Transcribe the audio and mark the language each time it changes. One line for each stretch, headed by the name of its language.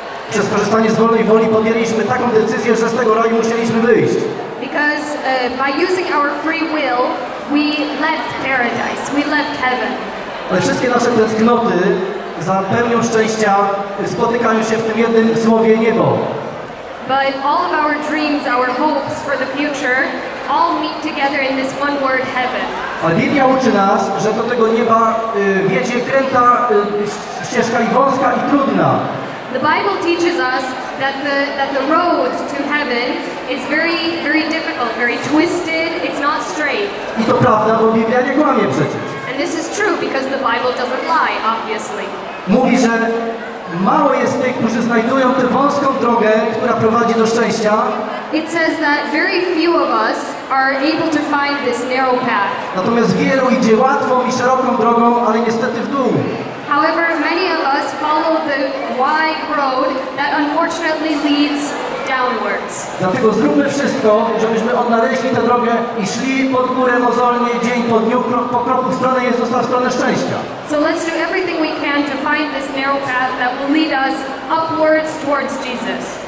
Polish: Przez korzystanie z wolnej woli podjęliśmy taką decyzję, że z tego raju musieliśmy wyjść.
English: Because by using our free will, we left paradise, we left heaven.
Polish: Ale wszystkie nasze tęsknoty za pełnią szczęścia spotykają się w tym jednym słowie niebo.
English: But all of our dreams, our hopes for the future, all meet together in this one word, heaven.
Polish: A Biblia uczy nas, że do tego nieba wiedzie kręta ścieżka i wąska i trudna.
English: The Bible teaches us that the road to heaven is very, very difficult, very twisted, it's not straight.
Polish: I to prawda, bo Biblia nie kłamie przecież.
English: And this is true because the Bible doesn't lie, obviously.
Polish: Mówi, że mało jest tych, którzy znajdują tę wąską drogę, która prowadzi do szczęścia.
English: It says that very few of us are able to find this narrow path.
Polish: Natomiast wielu idzie łatwą i szeroką drogą, ale niestety w dół.
English: However, many of us follow the wide road that unfortunately leads downwards.
Polish: Dlatego zróbmy wszystko, żebyśmy odnaleźli tę drogę i szli pod górę mozolnie, dzień po dniu, krok po kroku, w stronę Jezusa, w stronę szczęścia.
English: So let's do everything we can to find this narrow path that will lead us upwards towards Jesus.